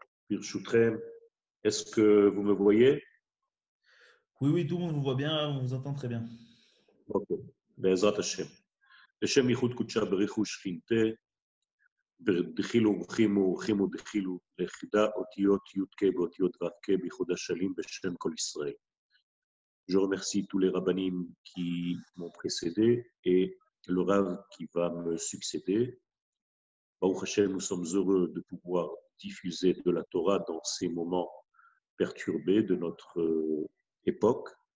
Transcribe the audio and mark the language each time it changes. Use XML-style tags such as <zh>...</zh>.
<fr>ברשותכם, est-ce que vous me voyez? Oui, oui, tout le monde vous voit bien, on vous entend très bien.</fr> <he>Ok. בעזרת השם.</he> <arc>לשם ייחוד קודשה בריחו שכינתה, בדחילו ומחימו ומחימו דחילו, ליחידה אותיות י"ק ואותיות ו"ק ביחוד השלים בשם כל ישראל.</arc> <fr>Je remercie tous les rabbinim qui m'ont précédé et le rav qui va me succéder. Baruch Hashem, nous sommes heureux de pouvoir diffuser de la Torah dans ces moments perturbés de notre époque.</fr>